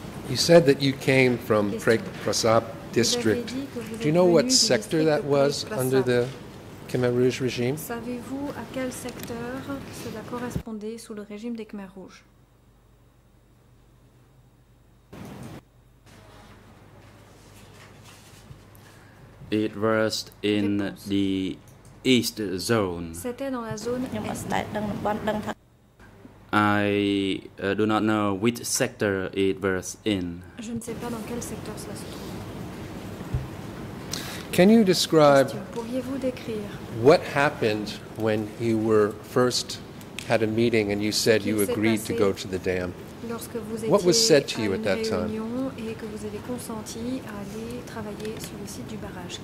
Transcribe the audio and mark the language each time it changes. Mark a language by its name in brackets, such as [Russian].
[English] You said that you came from Prek Prasap district. Do you know what sector that was under the Khmer Rouge regime? [French] Savez-vous à quel secteur cela correspondait sous le régime des Khmer Rouge? [English] It was in the east zone. [French] C'était dans la zone est. [English] I do not know which sector it was in. [French] Je ne sais pas dans quel secteur cela se trouve. [English] Can you describe [French] Pourriez-vous décrire [English] what happened when you were first had a meeting and you said you agreed to go to the dam? [French] Lorsque vous [English] what was said to you at that time? [French] Et que vous avez consenti à aller travailler sur le site du barrage.